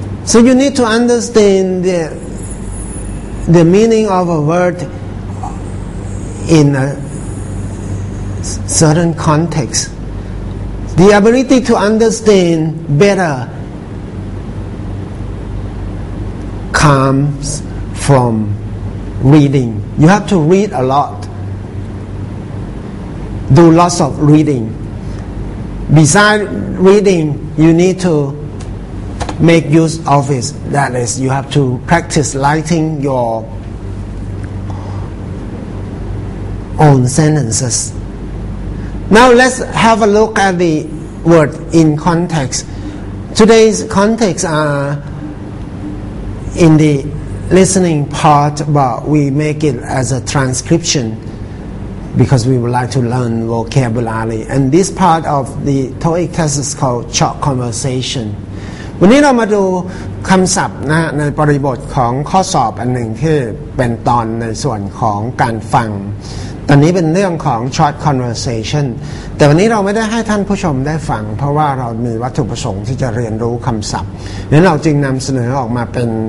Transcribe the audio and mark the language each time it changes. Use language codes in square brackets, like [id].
[en] So you need to understand the meaning of a word in a certain contextThe ability to understand better comes from reading. You have to read a lot, do lots of reading. Besides reading, you need to make use of it. That is, you have to practice writing your own sentences. Now let's have a look at the word in context. Today's context are in the listening part, but we make it as a transcription because we would like to learn vocabulary. And this part of the TOEIC test is called short conversation. [th] วันนี้เรามาดูคำศัพท์นะในบริบทของข้อสอบอันหนึ่งที่เป็นตอนในส่วนของการฟังตอนนี้เป็นเรื่องของ short conversation แต่วันนี้เราไม่ได้ให้ท่านผู้ชมได้ฟังเพราะว่าเรามีวัตถุประสงค์ที่จะเรียนรู้คำศัพท์งั้นเราจึงนำเสนอออกมาเป็น